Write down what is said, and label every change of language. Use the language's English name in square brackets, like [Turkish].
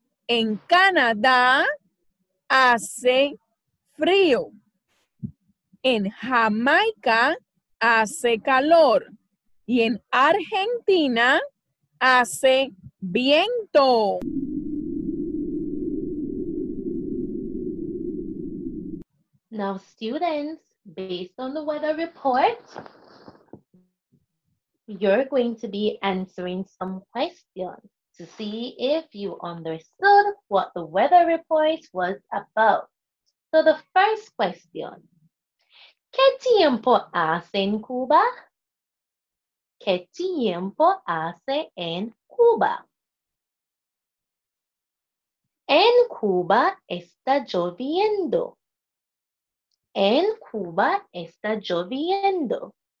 [Spanish] En Canadá hace frío. En Jamaica hace calor. Y en Argentina hace viento. [English] Now, students, based on the weather report, you're going to be answering some questions. to see if you understood what the weather report was about. So the first question, [Spanish] ¿Qué tiempo hace en Cuba? ¿Qué tiempo hace en Cuba? En Cuba está lloviendo. En Cuba está lloviendo.